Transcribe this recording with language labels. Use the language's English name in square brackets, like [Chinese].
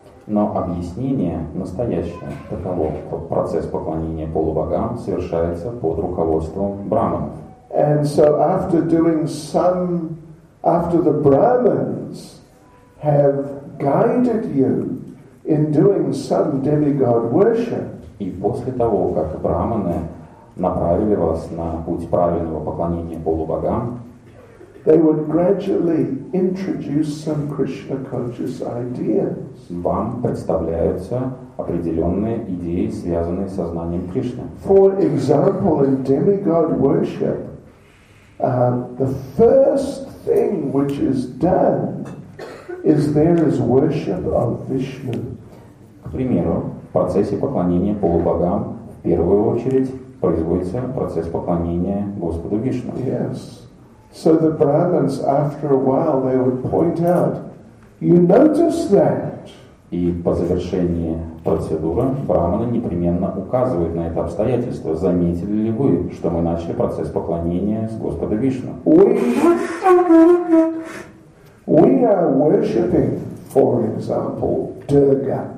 [Russian] Но объяснение настоящее таково, что процесс поклонения полубогам совершается под руководством Брахманов. [English] And so after the Brahmins have guided you in doing some demigod worship. [Russian] И после того, как брахманы направили вас на путь правильного поклонения полубогам, [English] they would gradually introduce some Krishna conscious ideas. [Russian] Вам представляются определенные идеи, связанные с сознанием Кришны. [English] For example, in demigod worship, the first thing which is done is there is worship of Vishnu. [Russian] К примеру, в процессе поклонения полубогам в первую очередь производится процесс поклонения Господу Вишну. [English] Yes. So the Brahmins, after a while, they would point out, you notice that. [Russian] И по завершении процедуры брахманы непременно указывают на это обстоятельство. Заметили ли вы, что мы начали процесс поклонения с Господа Вишну? [English] We are worshipping, for example, Durga.